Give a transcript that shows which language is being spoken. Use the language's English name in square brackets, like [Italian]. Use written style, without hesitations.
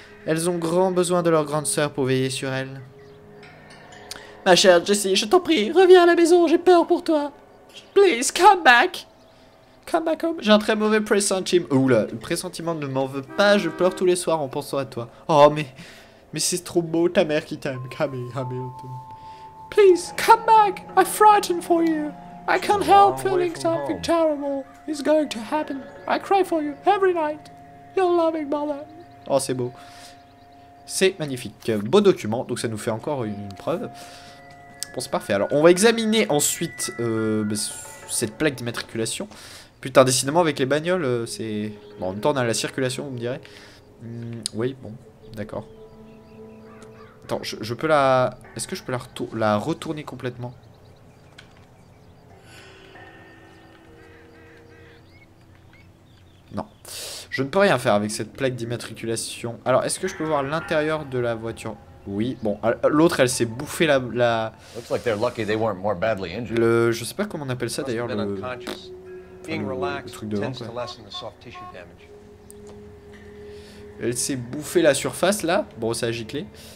[French] Elles ont grand besoin de leur grande sœur pour veiller sur elles. Ma chère Jessie, je t'en prie, reviens à la maison, j'ai peur pour toi. [English] Please, come back. Come back home. [French] J'ai un très mauvais pressentiment. Oula, le pressentiment ne m'en veut pas, je pleure tous les soirs en pensant à toi. Oh, mais c'est trop beau, ta mère qui t'aime. [English] Camille, Hamilton. Please, come back. I'm frightened for you. I can't help feeling something terrible is going to happen. I cry for you every night. Your loving mother. [French] Oh, c'est beau. C'est magnifique. Beau document, donc ça nous fait encore une preuve. Bon, c'est parfait. Alors, on va examiner ensuite cette plaque d'immatriculation. Putain, décidément, avec les bagnoles, c'est... Bon, en même temps, on a la circulation, vous me direz. Oui, bon, d'accord. Attends, je peux la... Est-ce que je peux la retourner complètement? Non. Je ne peux rien faire avec cette plaque d'immatriculation. Alors, est-ce que je peux voir l'intérieur de la voiture? Oui, bon, l'autre, elle s'est bouffée la... [English] Looks like they're lucky they weren't more badly injured. [French] Le... Je sais pas comment on appelle ça, d'ailleurs, le... [English] Being relaxed tends to lessen the soft tissue damage. [French] Elle s'est bouffé la surface là. Bon, ça a giclé.